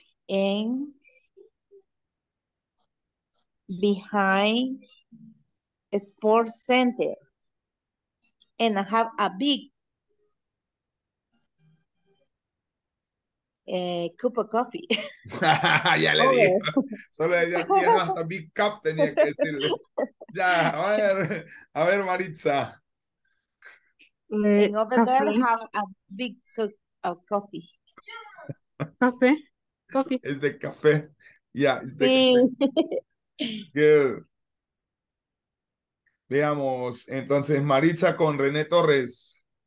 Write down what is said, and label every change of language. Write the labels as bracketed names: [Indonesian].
[English] And behind Sports Center, and I have a big cup of coffee. [Spanish] Ya le dijo, solo decía, y hasta Big Cup tenía que decirle. Ya, a ver, Maritza. [English] And over there, I have a big cup of coffee. [Spanish] Café, coffee. Es de café. Ya, es de café. Sí. [English] Good. [Spanish] Veamos, entonces, Maritza con René Torres.